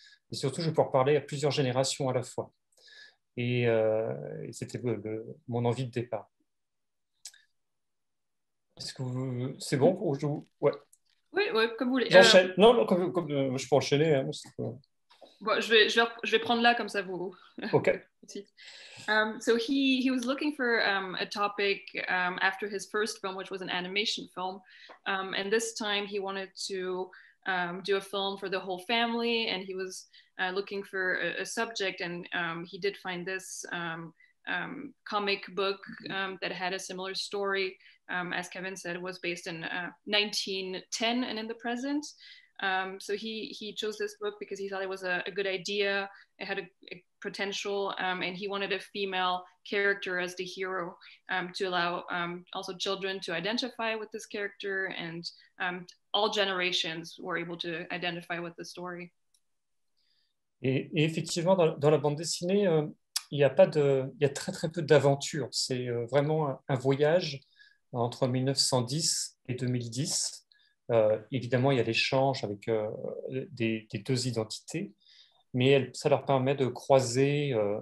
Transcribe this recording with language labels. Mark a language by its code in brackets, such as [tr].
[fr] Et surtout, je vais pouvoir parler à plusieurs générations à la fois. Et c'était mon envie de départ. Est-ce que c'est bon pour jouer? Ouais. Oui, comme vous voulez. Je peux enchaîner. Hein, c'est... Bon, je vais prendre là comme ça vous. Ok. [en] So he was looking for a topic after his first film, which was an animation film, and this time he wanted to do a film for the whole family, and he was looking for a subject, and he did find this comic book that had a similar story. As Kevin said, it was based in 1910 and in the present. So he chose this book because he thought it was a good idea. It had a potential, and he wanted a female character as the hero to allow also children to identify with this character, and all generations were able to identify with the story. [fr] Et effectivement, dans la bande dessinée, il y a très très peu d'aventures. C'est vraiment un voyage entre 1910 et 2010. Évidemment, il y a l'échange avec des deux identités, mais ça leur permet de croiser